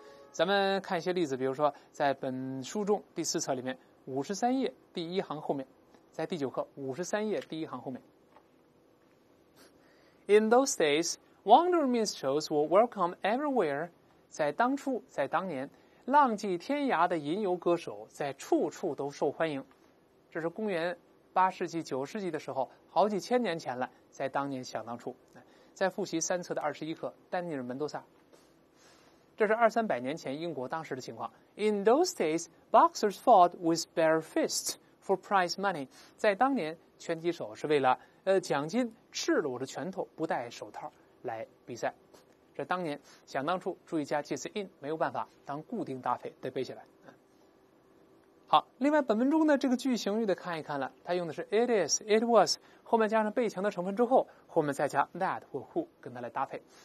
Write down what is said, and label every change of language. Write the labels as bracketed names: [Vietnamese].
[Chinese] 咱们看一些例子，比如说在本书中第四册里面53页第一行后面，在第九课53页第一行后面， [English] In those days wandering minstrels were welcome everywhere， [Chinese] 在当初，在当年，浪迹天涯的吟游歌手在处处都受欢迎。这是公元八世纪、九世纪的时候，好几千年前了。在当年，想当初，在复习三册的二十一课，丹尼尔·门多萨。这是二三百年前英国当时的情况。 [English] In those days, boxers fought with bare fists for prize money。 [Chinese] 在当年，拳击手是为了奖金，赤裸着拳头，不戴手套来比赛。这当年想当初，注意加介词 in， 没有办法当固定搭配，得背下来。好，另外本文中的这个句型域的看一看了，它用的是 it is it was， 后面加上被强的成分之后，后面再加 that 或 who 跟它来搭配。